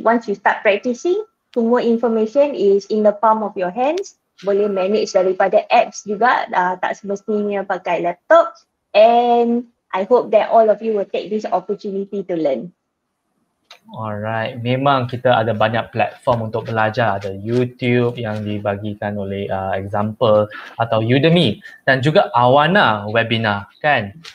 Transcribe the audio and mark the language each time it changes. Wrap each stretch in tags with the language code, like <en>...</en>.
<en>Once you start practicing, semua information is in the palm of your hands.</en> <ms>Boleh manage daripada apps juga, tak semestinya pakai laptop.</ms> <en>And I hope that all of you will take this opportunity to learn.</en> <ms>Alright, memang kita ada banyak platform untuk belajar. Ada YouTube yang dibagikan oleh example atau Udemy dan juga Avana webinar kan.</ms>